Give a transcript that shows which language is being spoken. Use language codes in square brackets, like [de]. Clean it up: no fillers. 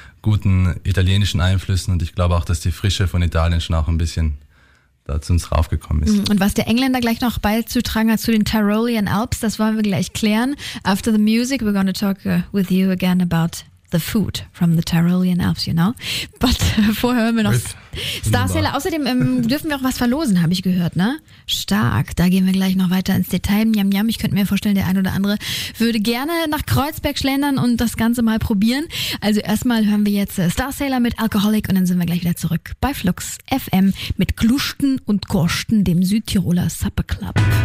[de] guten italienischen Einflüssen und ich glaube auch, dass die Frische von Italien schon auch ein bisschen da zu uns raufgekommen ist. Und was der Engländer gleich noch beizutragen hat zu den Tyrolean Alps, das wollen wir gleich klären. [en] After the music, we're going to talk with you again about the food from the Tyrolean Alps, you know? But [de] vorher hören wir noch Starsailor. Außerdem dürfen wir auch was verlosen, habe ich gehört, ne? Stark, da gehen wir gleich noch weiter ins Detail. Njam, njam, ich könnte mir vorstellen, der ein oder andere würde gerne nach Kreuzberg schlendern und das Ganze mal probieren. Also erstmal hören wir jetzt Starsailor mit Alcoholic und dann sind wir gleich wieder zurück bei Flux FM mit Gluschten und Gorschten, dem Südtiroler Supperclub.